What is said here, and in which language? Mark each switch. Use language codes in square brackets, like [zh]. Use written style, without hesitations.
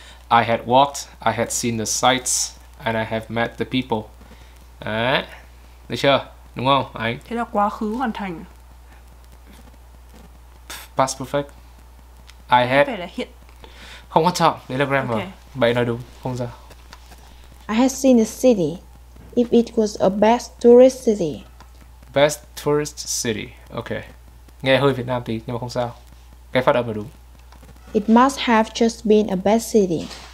[en] I had walked, I had seen the sights, and I have met the people. [vi] Đấy. Được chưa? Đúng không? Anh. Thế là quá khứ hoàn thành. [en] Past perfect. I [vi] thế [en] had. [vi] Phải là hiện. Không quan trọng, đấy là grammar. Okay. Bậy nói đúng, không sao. [en] I had seen the city. If it was a best tourist city. Best tourist city. Okay. [vi] Nghe hơi Việt Nam tí nhưng mà không sao. Cái phát âm là đúng. [en] It must have just been a best city.